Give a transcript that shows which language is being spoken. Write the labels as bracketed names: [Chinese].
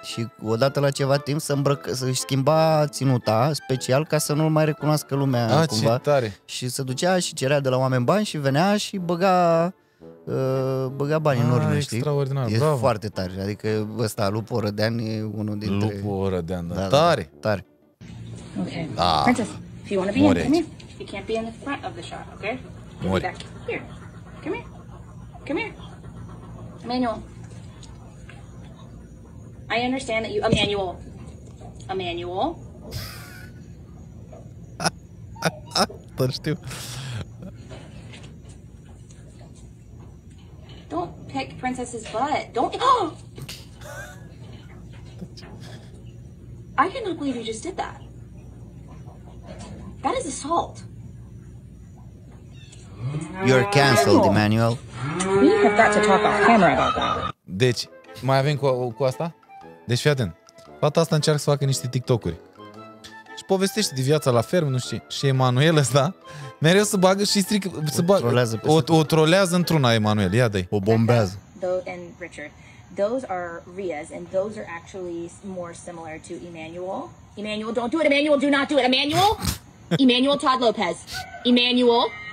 [Romanian] Și odată la ceva timp să-și schimba ținuta special ca să nu-l mai recunoască lumea. A, cumva. Ce tare. Și se ducea și cerea de la oameni bani și venea și băga bani în ordine. Extraordinar, e bravo. E foarte tare. Adică ăsta, Lupul Oradean, e unul dintre... Lupul Oradean, da. Tare. Da, tare. Ok. Da. [English] Princess, if you want to be more in, come here. You can't be in the front of the shot, ok? You'll more. Be back. Here. Come here. Come here. Emmanuel. I understand that you... Emmanuel. Emmanuel. [Romanian] Dar știu. [English] Don't pick Princess's butt. Don't... I cannot believe you just did that. That is assault. You're cancelled, Emmanuel. We have got to talk off camera about that. [Romanian] Deci, mai avem cu asta? Deci fii atent. Fata asta încearcă să facă niște TikTok-uri. Și povestește de viața la fermă, nu știu. Și Emmanuel ăsta mereu să bagă și strică, o să bagă, trolează pe o trolează într-una, Emmanuel. Ia dă-i. O bombează. [English] And Richard. Those are Ria's and those are actually more similar to Emmanuel. Emmanuel, don't do it. Emmanuel, do not do it. Emmanuel. Emmanuel Todd Lopez. Emmanuel.